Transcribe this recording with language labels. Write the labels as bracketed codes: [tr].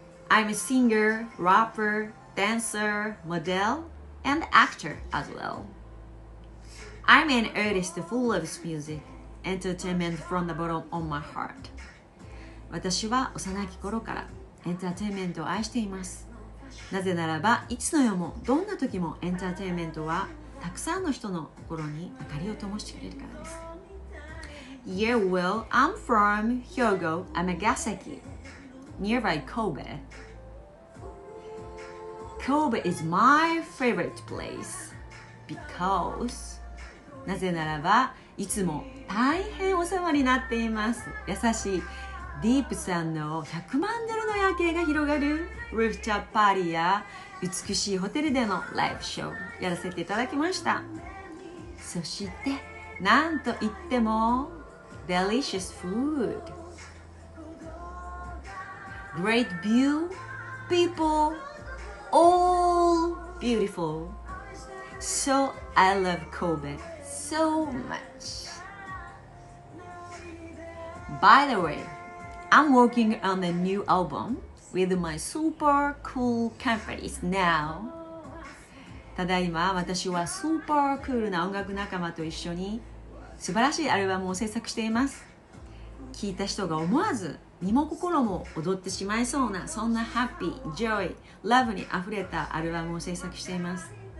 [en] I'm a singer, rapper, dancer, model, and actor as well. I'm an artist full of music, entertainment from the bottom of my heart. [ja] 私は幼き頃からエンターテインメントを愛しています。なぜならば、いつの世もどんな時もエンターテインメントはたくさんの人の心に明かりを灯してくれるからです。 [en] Yeah, well, I'm from Hyogo, Amagasaki, nearby Kobe. Kobe is my favorite place because... [ja] なぜならば、いつも大変お世話になっています。優しいディープさんの100万ドルの夜景が広がるルーフチャップパーティーや美しいホテルでのライブショーをやらせていただきました。そして、なんといっても、 [en] Delicious food, great view, people, all beautiful. So I love Kobe so much. By the way, I'm working on a new album with my super cool companies now. [ja] ただいま私はスーパークールな音楽仲間と一緒に素晴らしいアルバムを制作しています。聴いた人が思わず身も心も踊ってしまいそうな、そんなハッピー、ジョイ、ラブにあふれたアルバムを制作しています。